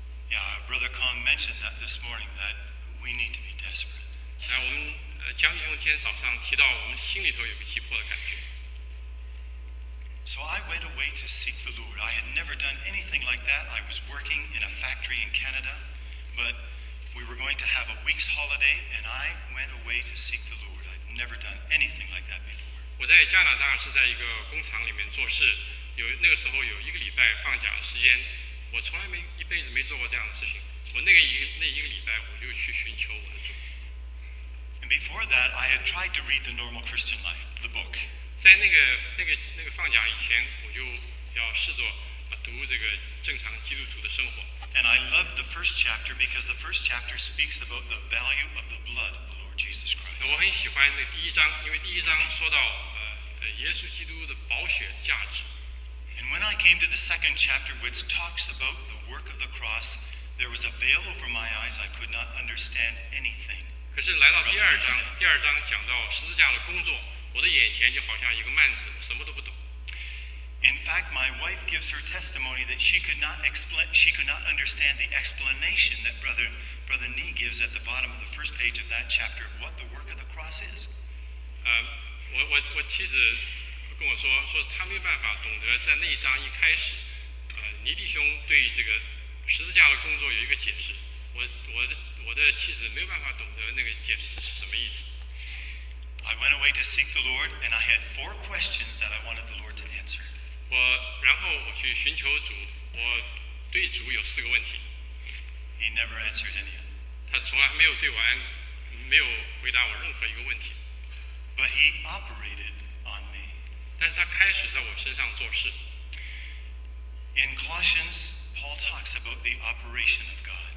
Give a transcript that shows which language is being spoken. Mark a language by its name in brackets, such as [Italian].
[English] Yeah, Brother Kong mentioned that this morning that we need to be desperate. [Chinese] 那我们江弟兄今天早上提到，我们心里头有个急迫的感觉。 [English] So I went away to seek the Lord. I had never done anything like that. I was working in a factory in Canada, but we were going to have a week's holiday, and I went away to seek the Lord. I'd never done anything like that before. [Chinese] 我在加拿大是在一个工厂里面做事。那个时候有一个礼拜放假的时间，我从来没一辈子没做过这样的事情。我那一个礼拜，我就去寻求我的主。 [English] And before that, I had tried to read the Normal Christian Life, the book. [Chinese] 在那个放假以前，我就要试着读这个正常基督徒的生活。 [English] And I loved the first chapter because the first chapter speaks about the value of the blood of the Lord Jesus Christ. [Chinese] 我很喜欢那第一章，因为第一章说到耶稣基督的宝血的价值。 [English] And when I came to the second chapter, which talks about the work of the cross, there was a veil over my eyes. I could not understand anything. [Chinese] 可是来到第二章讲到十字架的工作，我的眼前就好像一个幔子，什么都不懂。 [English] In fact, my wife gives her testimony that she could not understand the explanation that Brother Nee gives at the bottom of the first page of that chapter of what the work of the cross is. [Chinese] 我妻子跟我说，说她没有办法懂得在那一章一开始，尼弟兄对于这个十字架的工作有一个解释。我的妻子没有办法懂得那个解释是什么意思。 [English] I went away to seek the Lord, and I had four questions that I wanted the Lord to answer. [Chinese] 然后我去寻求主，我对主有四个问题。 [English] He never answered any of them. [Chinese] 他从来没有回答我任何一个问题。 [English] But he operated on me. [Chinese] 但是他开始在我身上做事。 [English] In Colossians, Paul talks about the operation of God.